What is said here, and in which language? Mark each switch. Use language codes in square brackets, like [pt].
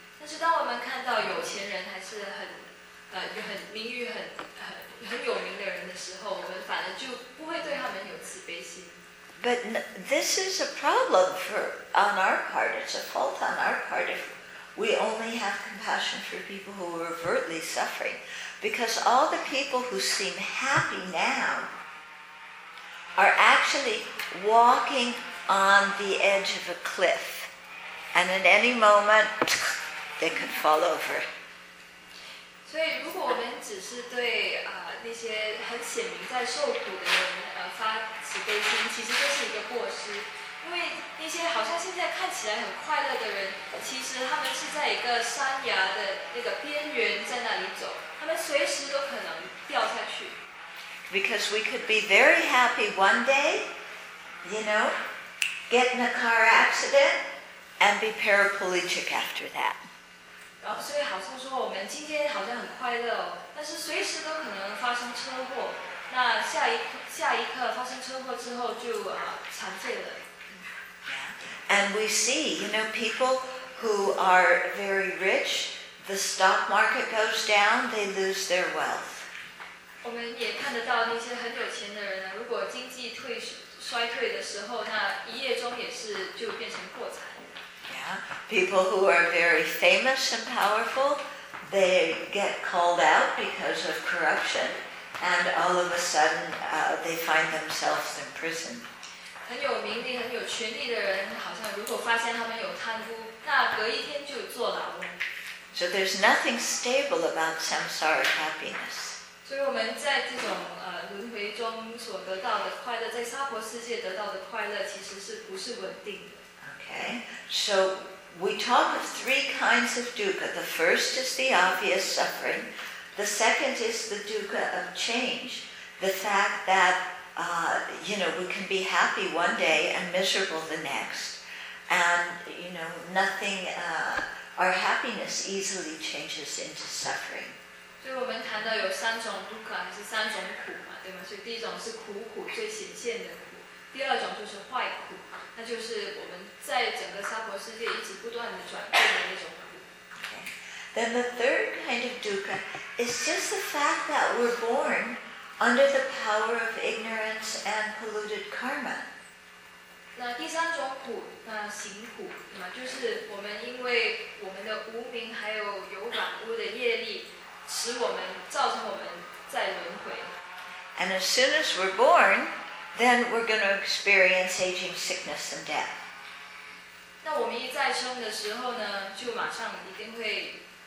[zh] 但是当我们看到有钱人还是很名誉很有名的人的时候，我们反而就不会对他们有慈悲心。 [en] But this is a problem on our part. It's a fault on our part if we only have compassion for people who are overtly suffering. Because all the people who seem happy now are actually walking on the edge of a cliff. And at any moment, they could fall over. [zh] 所以如果我们只是对那些很显明在受苦的人发慈悲心，其实这是一个过失，因为那些好像现在看起来很快乐的人，其实他们是在一个山崖的那个边缘在那里走，他们随时都可能掉下去。 [en] Because we could be very happy one day, you know, get in a car accident and be paraplegic after that. [zh] 然后所以好像说我们今天好像很快乐哦，但是随时都可能发生车祸。那下一刻发生车祸之后就残废了。 [en] And we see, you know, people who are very rich, the stock market goes down, they lose their wealth. [zh] 我们也看得到那些很有钱的人呢，如果经济衰退的时候，那一夜中也是就变成破产。 [en] Yeah, people who are very famous and powerful, they get called out because of corruption. And all of a sudden, they find themselves in prison. [zh] 很有名利、很有权利的人，好像如果发现他们有贪污，那隔一天就坐牢了。 [en] So there's nothing stable about samsaric happiness. [zh] 所以我们在这种轮回中所得到的快乐，在娑婆世界得到的快乐，其实是不是稳定的 [en] ？Okay. So we talk of three kinds of dukkha. The first is the obvious suffering. The second is the dukkha of change, the fact that you know, we can be happy one day and miserable the next, and you know, nothing, our happiness easily changes into suffering. [zh] 所以我们谈到有三种 dukkha 还是三种苦嘛，对吗？所以第一种是苦最显现的苦，第二种就是坏苦，那就是我们在整个娑婆世界一直不断的转变的那种苦。 [en] Then the third kind of dukkha is just the fact that we're born under the power of ignorance and polluted karma. [zh] 那第三种苦，那行苦，就是我们因为我们的无明还有有染污的业力，使我们造成我们在轮回。 [en] And as soon as we're born, then we're going to experience aging, sickness, and death. [zh] 那我们一再生的时候呢，就马上一定会。